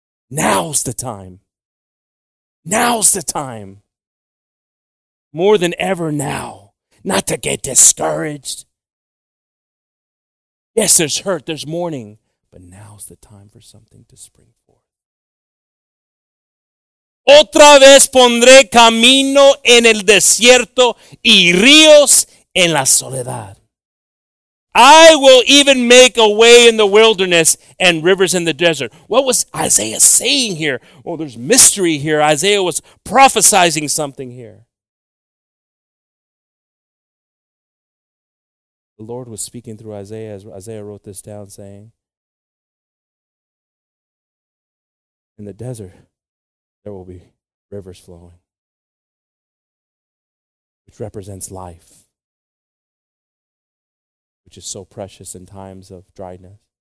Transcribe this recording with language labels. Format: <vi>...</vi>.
<en>Now's the time. Now's the time. More than ever now. Not to get discouraged. Yes, there's hurt, there's mourning. But now's the time for something to spring forth.</en> <es>Otra vez pondré camino en el desierto y ríos en la soledad.</es> <en>I will even make a way in the wilderness and rivers in the desert. What was Isaiah saying here? Oh, there's mystery here. Isaiah was prophesizing something here. The Lord was speaking through Isaiah as Isaiah wrote this down saying, in the desert, there will be rivers flowing, which represents life, which is so precious in times of dryness.</en>